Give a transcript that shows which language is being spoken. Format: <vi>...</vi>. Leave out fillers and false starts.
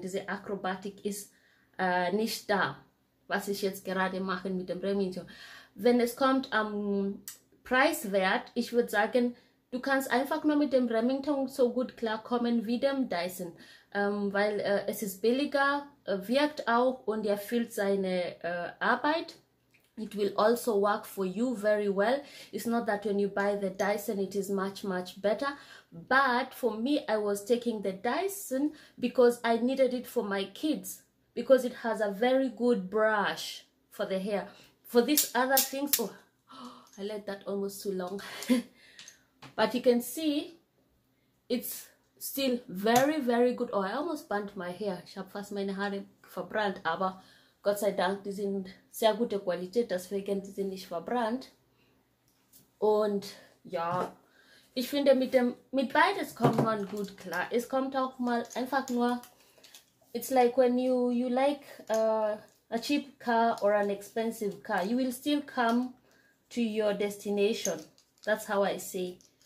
<de>Diese Akrobatik ist nicht da, was ich jetzt gerade mache mit dem Remington. Wenn es kommt am Preiswert, ich würde sagen, du kannst einfach nur mit dem Remington so gut klarkommen wie dem Dyson, weil es ist billiger, wirkt auch und erfüllt seine Arbeit.</de> <en>It will also work for you very well. It's not that when you buy the Dyson, it is much, much better. But for me, I was taking the Dyson because I needed it for my kids. Because it has a very good brush for the hair. For these other things, oh, I let that almost too long. But you can see, it's still very, very good. Oh, I almost burnt my hair.</en> <de>Ich habe fast meine Haare verbrannt, aber Gott sei Dank, die sind sehr gute Qualität, deswegen sind sie nicht verbrannt. Und ja, ich finde, mit beides kommt man gut klar. Es kommt auch mal einfach nur,</de> <en>it's like when you like a cheap car or an expensive car, you will still come to your destination. That's how I say.</en>